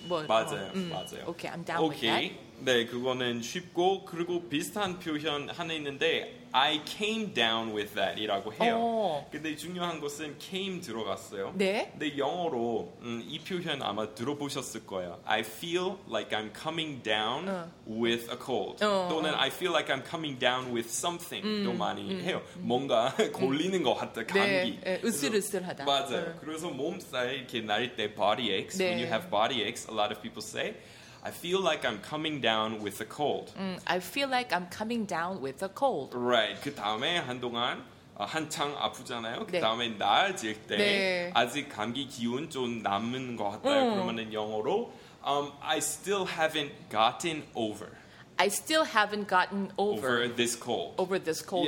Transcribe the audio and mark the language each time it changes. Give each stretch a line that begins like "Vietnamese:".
Korean: 뭐, 맞아요. 맞아요.
English: Okay, I'm down okay. with that.
Korean: 네, 그거는 쉽고 그리고 비슷한 표현 하나 있는데
English: I came down with that
Korean: 이라고 해요. 오. 근데 중요한 것은 came 들어갔어요. 네. 근데 영어로 이 표현 아마 들어보셨을 거예요.
English: I feel like I'm coming down with a cold. 또는 I feel like I'm coming down with something 또 많이 해요.
Korean: 뭔가 걸리는 것 같다. 감기. 네. 으슬으슬하다. 맞아요. 그래서 몸살 이렇게 날 때 body aches.
English: 네. When you have body aches, a lot of people say I feel like I'm coming down with a cold. I feel like I'm coming down with a cold. Right.
Korean: 그 다음에 한동안 한창 아프잖아요. 그 다음에 네. 나아질 때 네. 아직 감기 기운 좀 남은 것 같아요. 그러면은 영어로
English: I still haven't gotten over. I still haven't gotten over, over this cold. Over this cold.